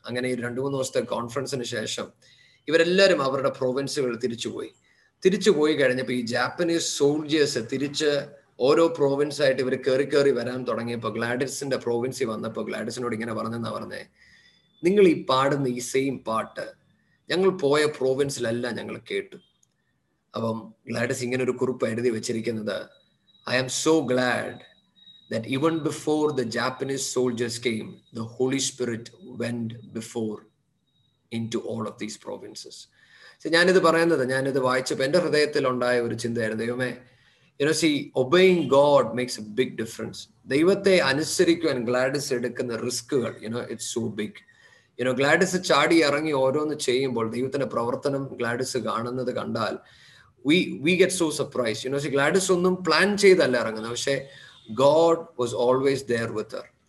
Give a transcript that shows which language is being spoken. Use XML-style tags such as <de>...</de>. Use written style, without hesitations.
<ml>അങ്ങനെ ഈ 2-3 ദിവസത്തെ കോൺഫറൻസിന് ശേഷം ഇവരെല്ലാവരും അവരുടെ പ്രൊവിൻസുകളിൽ തിരിച്ചുപോയി. തിരിച്ചുപോയി കഴിഞ്ഞപ്പോൾ ഈ ജാപ്പനീസ് സോൾജേഴ്സ് തിരിച്ച് ഓരോ പ്രൊവിൻസ് ആയിട്ട് ഇവർ കയറി വരാൻ തുടങ്ങിയപ്പോൾ ഗ്ലാഡിസിന്റെ പ്രൊവിൻസിൽ വന്നപ്പോൾ ഗ്ലാഡിസിനോട് ഇങ്ങനെ പറഞ്ഞെന്നാണ് പറഞ്ഞത്, നിങ്ങൾ ഈ പാടുന്ന ഈ സെയിം പാട്ട് ഞങ്ങൾ പോയ പ്രൊവിൻസിലെല്ലാം ഞങ്ങൾ കേട്ടു. അപ്പം ഗ്ലാഡിസ് ഇങ്ങനെ ഒരു കുറിപ്പ് എഴുതി വെച്ചിരിക്കുന്നത്,</ml> <en>I am so glad that even before the Japanese soldiers came, the Holy Spirit went before into all of these provinces.</en> <ml>So ഞാൻ ഇത് വായിച്ചപ്പോൾ എൻ്റെ ഹൃദയത്തിൽ ഉണ്ടായ ഒരു ചിന്തയായിരുന്നു, ദൈവമേ,</ml> <en>You know see obeying God makes a big difference.</en> <ml>ദൈവത്തെ അനുസരിക്കുവാൻ ഗ്ലാഡിസ് എടുക്കുന്ന റിസ്കുകൾ,</ml> <en>You know it's so big.</en> <ml>You know Gladys ചാടി ഇറങ്ങി ഓരോന്ന് ചെയ്യുമ്പോൾ ദൈവത്തിന്റെ പ്രവർത്തനം ഗ്ലാഡിസ് കാണുന്നത് കണ്ടാൽ</ml> <en>We get so surprised. You know, see, Gladys</en> <ml>onnum plan cheyidalla irangana, avashe</ml> <en>God was always there with her.</en>